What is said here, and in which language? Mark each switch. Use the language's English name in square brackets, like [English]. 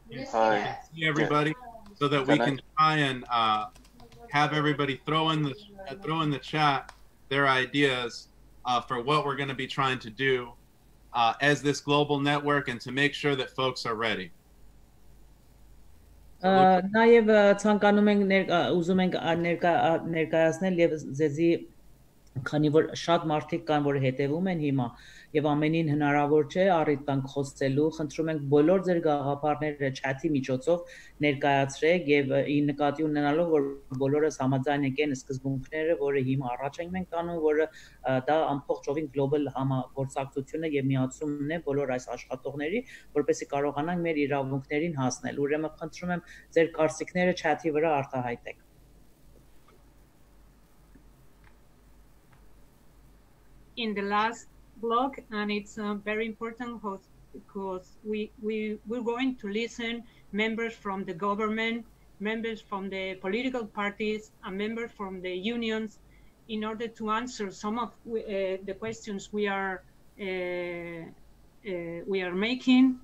[English] See everybody, so that we can try and have everybody throw in the chat their ideas for what we're going to be trying to do as this global network, and to make sure that folks are ready. [Armenian] Նաև ցանկանում ենք ուզում ենք ներկայացնել եւ ձեզի քանի որ շատ մարդիկ կան որ հետևում են հիմա եւ ամենին հնարավոր չէ առիթ տան խոսելու խնդրում ենք բոլոր ձեր գաղափարները չաթի միջոցով ներկայացրեք եւ ի նկատի ունենալով որ բոլորս համաձայն ենք այն սկզբունքները որը հիմա առաջ ենք մենք տանում որը դա ամբողջովին գլոբալ համագործակցությունը եւ միացումն է բոլոր այս աշխատողների որպեսզի կարողանանք մեր իրավունքներին հասնել ուրեմն խնդրում եմ ձեր կարծիքները չաթի վրա արտահայտեք [English] In the last block, and it's very important because we're going to listen members from the government, members from the political parties, and members from the unions, in order to answer some of the questions we are making.